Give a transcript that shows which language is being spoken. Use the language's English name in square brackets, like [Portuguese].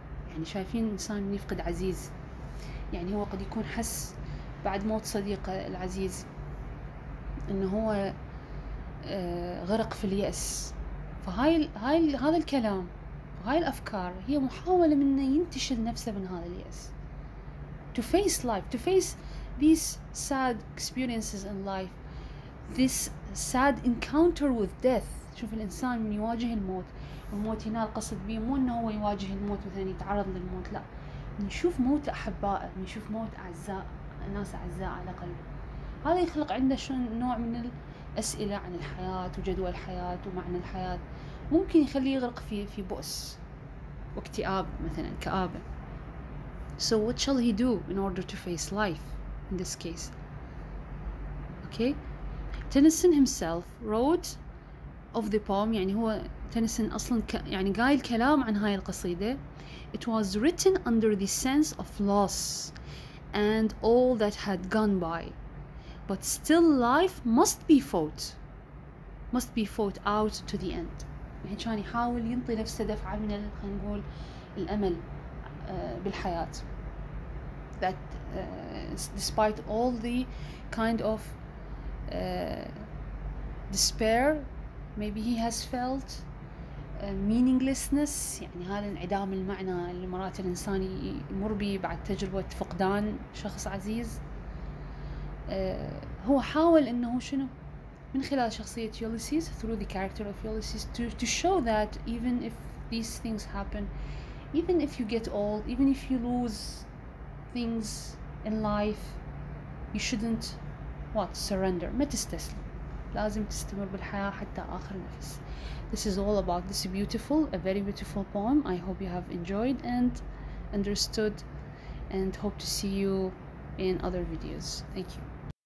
[Arabic] يعني شايفين إنسان يفقد عزيز، يعني هو قد يكون حس بعد موت صديقه العزيز إنه هو غرق في اليأس. فهذا الكلام وهاي الأفكار هي محاولة منه ينتشل نفسه من هذا اليأس. [English] To face life, to face these sad experiences in life, this sad encounter with death. [Arabic] شوف الإنسان من يواجه الموت، والموت هنا القصد بيه مو إنه هو يواجه الموت مثلاً يتعرض للموت، لا، من يشوف موت أحبائه، من يشوف موت أعزاء ناس أعزاء على قلبه، هذا يخلق عنده شو نوع من الأسئلة عن الحياة وجدوى الحياة ومعنى الحياة، ممكن يخليه يغرق في بؤس واكتئاب مثلاً كآبة. [English] So what shall he do in order to face life in this case? Okay, Tennyson himself wrote of the poem. [Arabic] يعني هو Tennyson أصلا يعني قايل كلام عن هاي القصيدة. [English] It was written under the sense of loss and all that had gone by, but still life must be fought out to the end. [Arabic] يعني كان يحاول ينطي نفسه دفعة من خلينا نقول الأمل بالحياة. [English] That despite all the kind of despair maybe he has felt, meaninglessness, [Arabic] يعني هذا انعدام المعنى اللي مرات الإنسان يمر به بعد تجربة فقدان شخص عزيز، هو حاول إنه شنو من خلال شخصية [English] Ulysses, through the character of Ulysses, to show that even if these things happen, even if you get old, even if you lose things in life, you shouldn't what surrender. [Arabic] ما تستسلم، لازم تستمر بالحياة حتى آخر نفس. [English] This is all about this beautiful, a very beautiful poem. I hope you have enjoyed and understood, and hope to see you in other videos. Thank you.